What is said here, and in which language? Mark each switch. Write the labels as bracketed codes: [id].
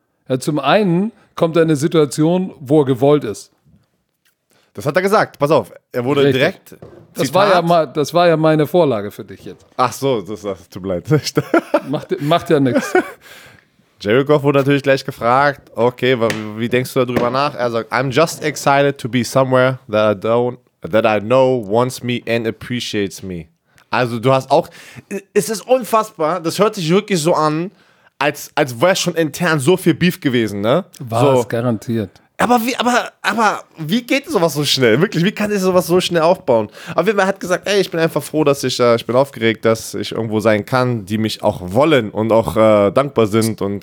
[de] Ja, zum einen kommt er in eine Situation, wo er gewollt ist. Das hat er gesagt. Pass auf, er wurde richtig direkt. Das war, ja mal, das war ja meine Vorlage für dich jetzt. Ach so, das tut mir leid. macht ja nichts. Jared Goff wurde natürlich gleich gefragt: Okay, wie denkst du darüber nach? [en] Er sagt: I'm just excited to be somewhere that I know wants me and appreciates me. [de] Also, du hast auch. Es ist unfassbar, das hört sich wirklich so an, als wäre schon intern so viel Beef gewesen, ne? War so. Es garantiert. Aber wie geht sowas so schnell? Wirklich, wie kann ich sowas so schnell aufbauen? Auf jeden Fall hat gesagt, ey, ich bin einfach froh, dass ich bin aufgeregt, dass ich irgendwo sein kann, die mich auch wollen und auch dankbar sind und